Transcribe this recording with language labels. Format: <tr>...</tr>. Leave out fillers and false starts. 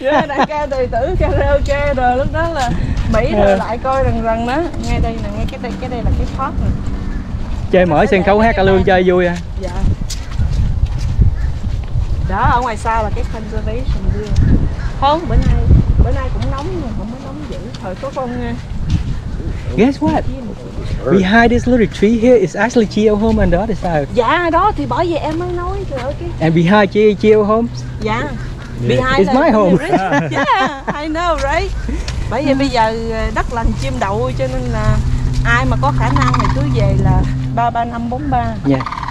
<vi>Đàn ca tài tử karaoke rồi lúc đó là Mỹ rồi lại coi rằng đó, ngay đây nè, ngay cái đây là cái park nè, chơi mở sân khấu hát cả lương chơi vui à. Dạ đó, ở ngoài sau là cái</vi> <en>conservation view.</en> <vi>Không, bữa nay cũng nóng nhưng mà không có nóng dữ. Thời có con</vi> <en>Guess what? Behind this little tree here is actually Chiyo home on the other side. Yeah,</en> <vi>đó thì bởi vì em mới nói rồi,</vi> <en>okay. And behind Chiyo home? Yeah. Behind is my home. Yeah, I know, right?</en> <vi>Bởi vì bây giờ đất lành chim đậu cho nên là ai mà có khả năng thì cứ về là 33543.</vi> <en>Yeah.</en>